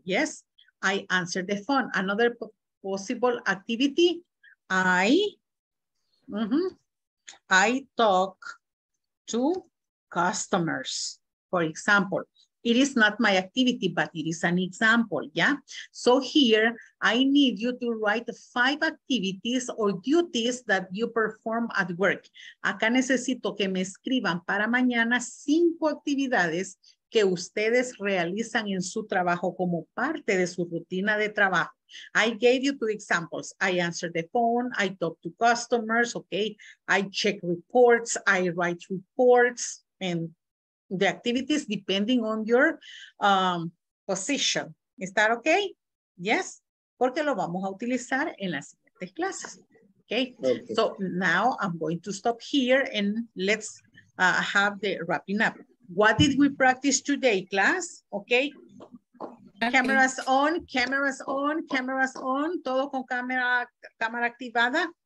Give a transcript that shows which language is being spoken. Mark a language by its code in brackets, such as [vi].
[en] Yes, I answer the phone. Another possible activity, I talk to customers. For example, it is not my activity, but it is an example, yeah? So here, I need you to write five activities or duties that you perform at work. [es] Acá necesito que me escriban para mañana cinco actividades que ustedes realizan en su trabajo como parte de su rutina de trabajo. [en] I gave you two examples. I answer the phone, I talk to customers, okay? I check reports, I write reports, and the activities depending on your position. Is that okay? [es] Yes, porque lo vamos a utilizar en las siguientes clases. [en] Okay, so now I'm going to stop here and let's have the wrapping up. What did we practice today, class? Okay, cameras on, [es] todo con cámara activada.